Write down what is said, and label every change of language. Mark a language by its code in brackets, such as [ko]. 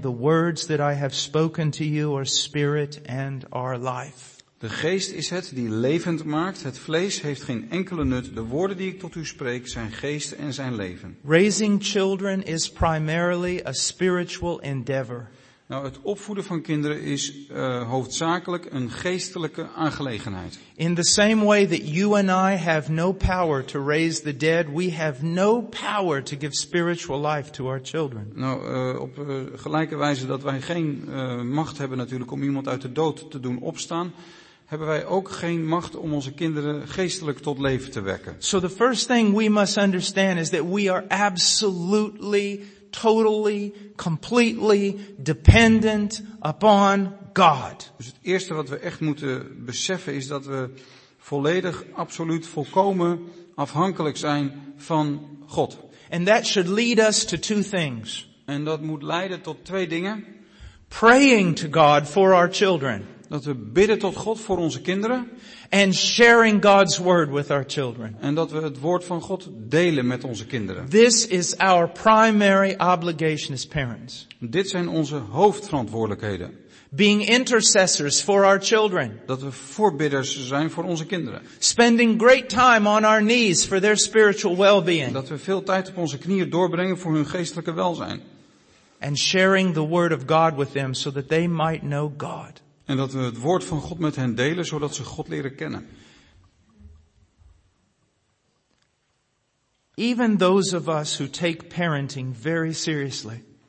[en] The words that I have spoken to you are spirit and are life. [nl] De geest is het die levend maakt. Het vlees heeft geen enkele nut. De woorden die ik tot u spreek zijn geest en zijn leven. [en] Raising children is primarily a spiritual endeavor. [nl] Nou, het opvoeden van kinderen is hoofdzakelijk een geestelijke aangelegenheid. [en] In the same way that you and I have no power to raise the dead, we have no power to give spiritual life to our children. [nl] Nou, op gelijke wijze dat wij geen macht hebben natuurlijk om iemand uit de dood te doen opstaan, hebben wij ook geen macht om onze kinderen geestelijk tot leven te wekken. [en] So the first thing we must understand is that we are absolutely totally, completely dependent upon God. [nl] Dus het eerste wat we echt moeten beseffen is dat we volledig, absoluut, volkomen afhankelijk zijn van God. [en] And that should lead us to two things. [nl] En dat moet leiden tot twee dingen. [en] Praying to God for our children. [nl] Dat we bidden tot God voor onze kinderen. [en] And sharing God's word with our children. [nl] En dat we het woord van God delen met onze kinderen. [en] This is our primary obligation as parents. [nl] Dit zijn onze hoofdverantwoordelijkheden. [en] Being intercessors for our children. [nl] Dat we voorbidders zijn voor onze kinderen. [en] Spending great time on our knees for their spiritual well-being. [nl] Dat we veel tijd op onze knieën doorbrengen voor hun geestelijke welzijn. [en] And sharing the word of God with them so that they might know God. [nl] En dat we het woord van God met hen delen, zodat ze God leren kennen. [en] Even those of us who take parenting very seriously.